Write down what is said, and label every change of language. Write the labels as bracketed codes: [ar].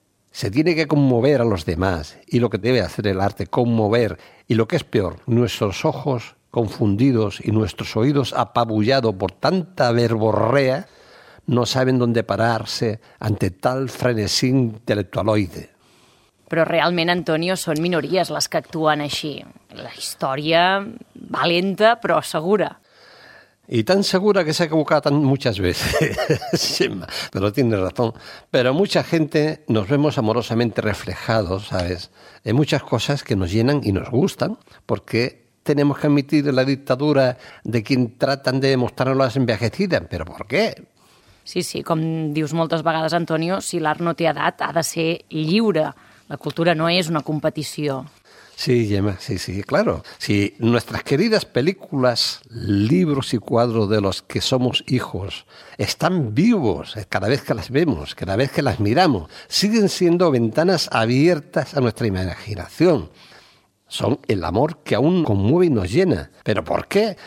[es] Se tiene que conmover a los demás, y lo que debe hacer el arte, conmover, y lo que es peor, nuestros ojos confundidos y nuestros oídos apabullados por tanta verborrea, no saben dónde pararse ante tal frenesí intelectualoide. [ca] Però realment, Antonio, són minories les que actuen així. La història va lenta, però segura. [es] Y tan segura que se ha equivocado muchas veces. Pero tiene razón. Pero mucha gente nos vemos amorosamente reflejados, ¿sabes? En muchas cosas que nos llenan y nos gustan, porque tenemos que admitir la dictadura de quien tratan de mostrarnos las envejecidas. ¿Pero por qué? [ca] Sí, sí, com dius moltes vegades, Antonio, si l'art no té edat, ha de ser lliure. La cultura no és una competició. [es] Sí, Gemma, sí, sí, claro. Si nuestras queridas películas, libros y cuadros de los que somos hijos están vivos cada vez que las vemos, cada vez que las miramos, siguen siendo ventanas abiertas a nuestra imaginación. Son el amor que aún conmueve y nos llena. ¿Pero por qué?